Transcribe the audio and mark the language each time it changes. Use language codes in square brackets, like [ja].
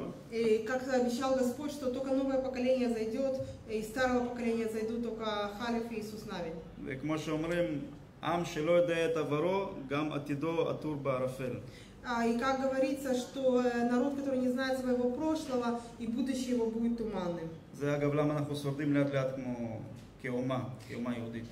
[ru] И как обещал Господь, что только новое поколение зайдет, и старого поколения зайдут только Халев и Иисус Навин. И как мы говорим, [he] עם שלא יודע את עברו, גם עתידו עטור בערפל. [ru] И как говорится, что народ, который не знает своего прошлого, и будущее его будет туманным. [he] זה אגב למה אנחנו שורדים ליד-ליד כמו כאומה, כאומה יהודית.